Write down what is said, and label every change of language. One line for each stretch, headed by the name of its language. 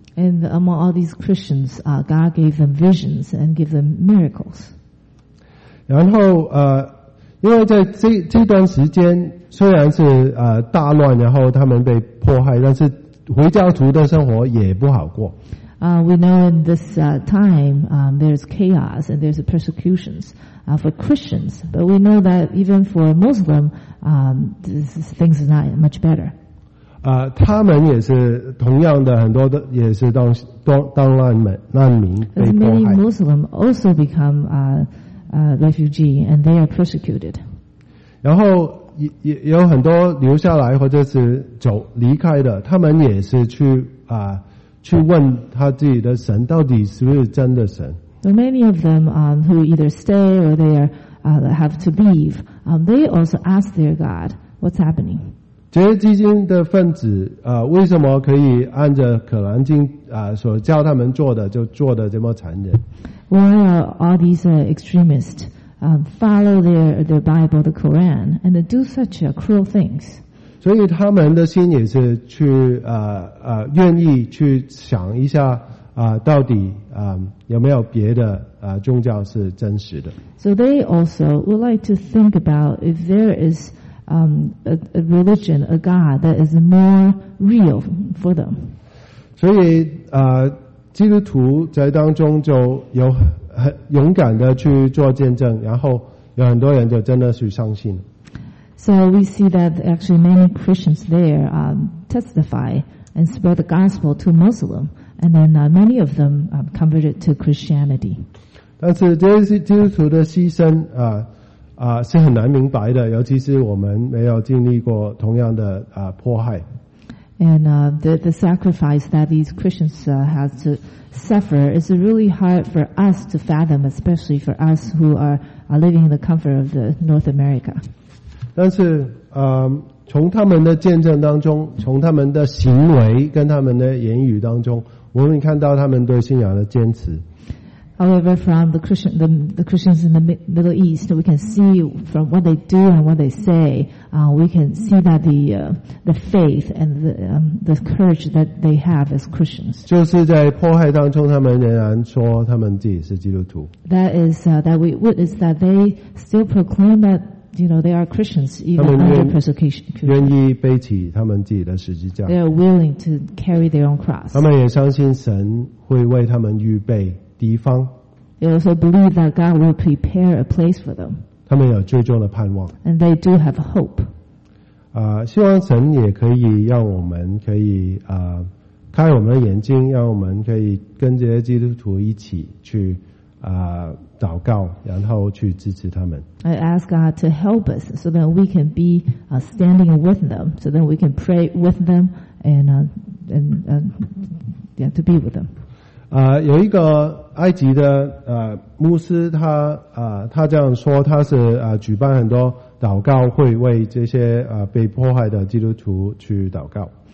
English: And among all these Christians, God gave them visions and gave them miracles.
Chinese: 然后因为在这段时间虽然是大乱，然后他们被迫害，但是回教徒的生活也不好过。
English: We know in this time, there's chaos and there's persecutions for Christians. But we know that even for Muslim, things are not much better.
Chinese: 他们也是同样的，很多的也是当难民被迫害。
English: Many Muslims also become refugee and they are persecuted.
Chinese: 然后也有很多留下来或者是走离开的，他们也是去问他自己的神到底是不是真的神。
English: So many of them who either stay or they are have to leave, they also ask their God what's happening.
Chinese: 这些基金的分子为什么可以按着可兰经所教他们做的就做的这么残忍？
English: Why are all these extremists follow their Bible, the Quran, and they do such cruel things?
Chinese: 所以他们的心也是去愿意去想一下到底有没有别的宗教是真实的。
English: So they also would like to think about if there isa religion, a God that is more real for them.
Chinese: 所以基督徒在当中就有很勇敢的去做见证，然后有很多人就真的去相信。
English: So we see that actually many Christians there testify and spread the gospel to Muslim, and then many of them converted to Christianity.
Chinese: 但是这些基督徒的牺牲是很难明白的，尤其是我们没有经历过同样的迫害。
English: And the sacrifice that these Christians have to suffer is really hard for us to fathom, especially for us who are living in the comfort of the North America.
Chinese: 但是从他们的见证当中，从他们的行为跟他们的言语当中，我们看到他们对信仰的坚持。
English: However, from the Christians in the Middle East, we can see from what they do and what they say, we can see that the faith and the courage that they have as Christians.
Chinese: 就是在迫害当中，他们仍然说他们自己是基督徒。
English: That is that we witness that they still proclaim that you know they are Christians even under persecution.
Chinese: 愿意背起他们自己的十字架。
English: They are willing to carry their own cross.
Chinese: 他们也相信神会为他们预备。敌方
English: They also believe that God will prepare a place for them.
Chinese: 他们有最终的盼望
English: And they do have hope.
Chinese: 希望神也可以让我们可以开我们的眼睛，让我们可以跟这些基督徒一起去祷告，然后去支持他们。
English: I ask God to help us so that we can be standing with them, so that we can pray with them and to be with them.
Chinese: 有一个埃及的牧师他这样说，他是举办很多祷告会，为这些被迫害的基督徒去祷告。